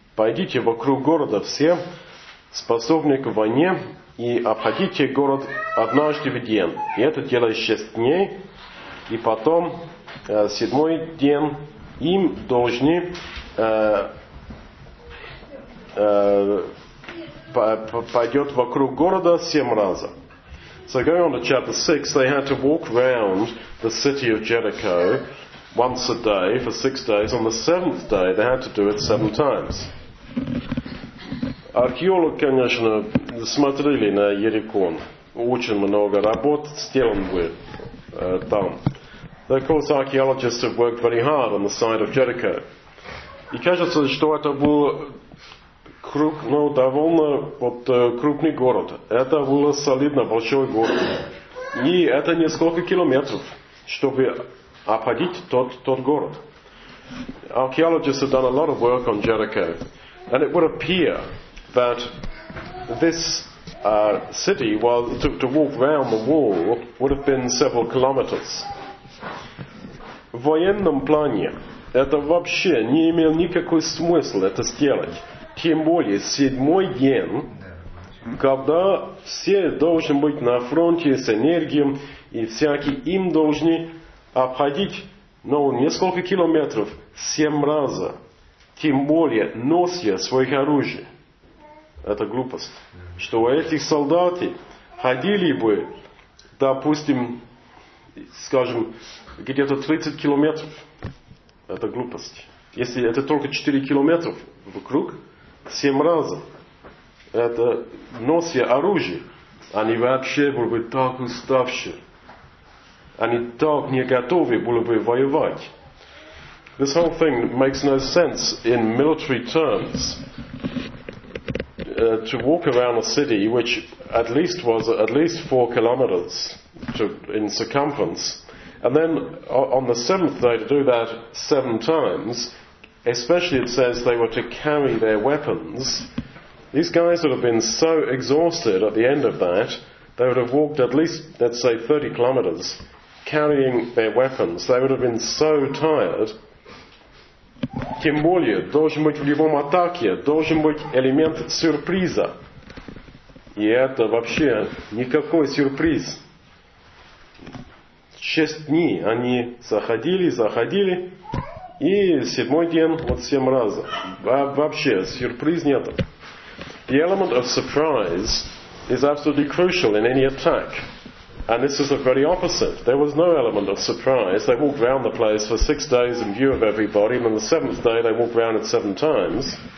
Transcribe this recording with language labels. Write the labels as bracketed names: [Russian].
[Russian] Пойдите вокруг города все, способные к войне, и обходите город однажды в день. И это делает 6 дней. И потом, седьмой день, им должны пойдет вокруг города 7 раз. [English] So going on to chapter 6, they had to walk round the city of Jericho once a day for 6 days. On the 7th day, they had to do it 7 times. [Russian] Археологи, конечно, смотрели на Иерихон. Очень много работ сделано было там. [English] Of course, archaeologists have worked very hard on the site of Jericho. [Russian] И кажется, что это был круг, ну, довольно вот, крупный город. Это был солидно большой город. И это несколько километров, чтобы обходить тот город. [English] Archaeologists have done a lot of work on Jericho. And it would appear that this city, while it took to walk round the wall, would have been several kilometers. [Russian] В военном плане это вообще не имело никакой смысла это сделать. Тем более седьмой день, когда все должны быть на фронте с энергией, и всякие им должны обходить, ну, несколько километров 7 раз. Тем более носья своих оружий. Это глупость. Что эти солдаты ходили бы, допустим, скажем, где-то 30 километров. Это глупость. Если это только 4 километра вокруг, 7 раз. Это носья оружия. Они вообще были бы так уставшие. Они так не готовы были бы воевать. [English] This whole thing makes no sense in military terms. To walk around a city which at least was at least 4 kilometers in circumference, and then on the 7th day to do that 7 times, especially it says they were to carry their weapons. These guys would have been so exhausted at the end of that, they would have walked at least, let's say, 30 kilometers carrying their weapons. They would have been so tired. [Russian] Тем более, должен быть в любом атаке, должен быть элемент сюрприза. И это вообще никакой сюрприз. 6 дней они заходили, и 7-й день вот 7 раз. Вообще сюрприз нет. [English] The element of surprise is absolutely crucial in any attack. And this is the very opposite. There was no element of surprise. They walked around the place for 6 days in view of everybody, and on the 7th day they walked around it 7 times.